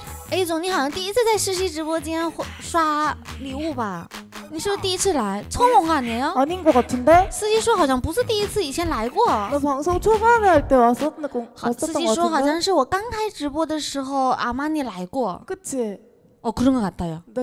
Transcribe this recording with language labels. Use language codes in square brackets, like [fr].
[zh] A总，你好像第一次在司机直播间刷礼物吧？你是不是第一次来？聪明啊你！ [ko] 아닌 것 같은데? [zh] 司机说好像不是第一次，以前来过。 [ko] 방송 초반에 할 때 왔었나 공. [zh] 司机说好像是我刚开直播的时候阿玛尼来过。 [ko] 그치？어 그런 것 같아요.